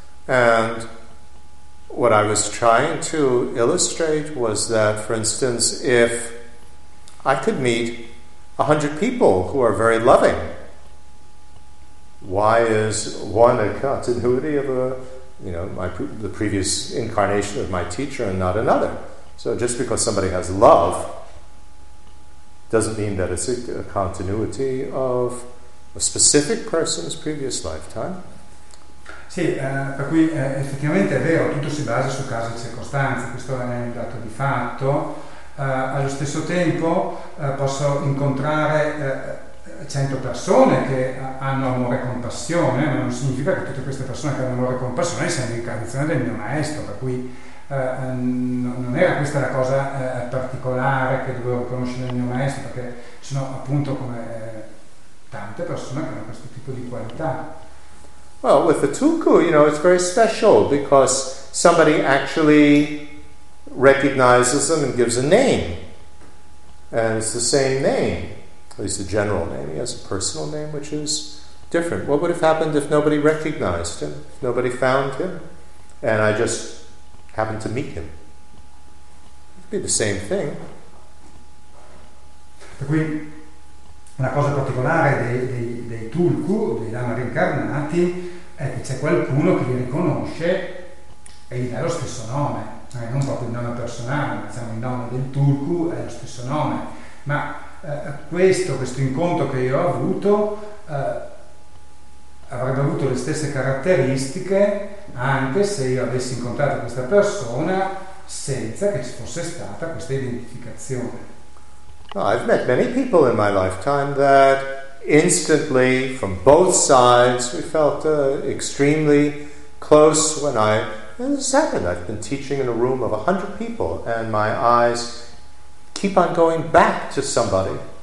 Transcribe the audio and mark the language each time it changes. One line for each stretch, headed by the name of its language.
English: And what I was trying to illustrate was that, for instance, if I could meet 100 people who are very loving, why is one a continuity of a, you know, the previous incarnation of my teacher and not another? So just because somebody has love doesn't mean that it's a continuity of a specific person's previous lifetime.
Italian: Sì, per cui effettivamente è vero, tutto si basa su caso e circostanze, questo è un dato di fatto. Allo stesso tempo posso incontrare 100 persone che hanno amore e compassione, ma non significa che tutte queste persone che hanno amore e compassione siano l'incarnazione del mio maestro, per cui non era questa la cosa particolare che dovevo conoscere il mio maestro, perché sono appunto come tante persone che hanno questo tipo di qualità.
English: Well, with the tuku, you know, it's very special because somebody actually recognizes them and gives a name, and it's the same name. At least a general name. He has a personal name, which is different. What would have happened if nobody recognized him, if nobody found him, and I just happened to meet him? It would be the same thing.
Italian: Per cui, una cosa particolare dei tulku, dei lama reincarnati, è che c'è qualcuno che li riconosce e gli dà lo stesso nome. Non proprio il nome personale, diciamo il nome del tulku è lo stesso nome. Ma questo incontro che io ho avuto avrebbe avuto le stesse caratteristiche anche se io avessi incontrato questa persona senza che ci fosse stata questa identificazione.
English: Well, I've met many people in my lifetime that instantly from both sides we felt extremely close when I, and this happened, I've been teaching in a room of 100 people and my eyes keep on going back to somebody.